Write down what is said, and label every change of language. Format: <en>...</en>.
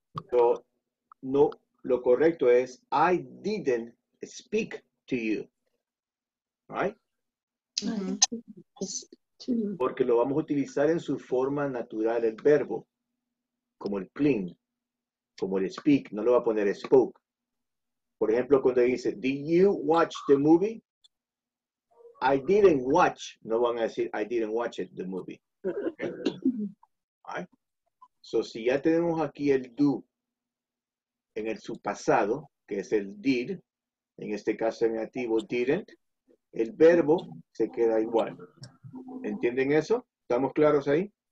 <en>So,</en> <es>no, lo correcto es,</es> <en>I didn't speak to you. Right?</en> <es>Porque lo vamos a utilizar en su forma natural, el verbo, como el clean, como el speak, no lo va a poner spoke. Por ejemplo, cuando dice,</es> <en>did you watch the movie? I didn't watch.</en> <es>No van a decir,</es> <en>I didn't watch it, the movie. Right?</en> <es>So, si ya tenemos aquí el do en el subpasado, que es el did, en este caso en activo, didn't, el verbo se queda igual. ¿Entienden eso? ¿Estamos claros ahí?</es>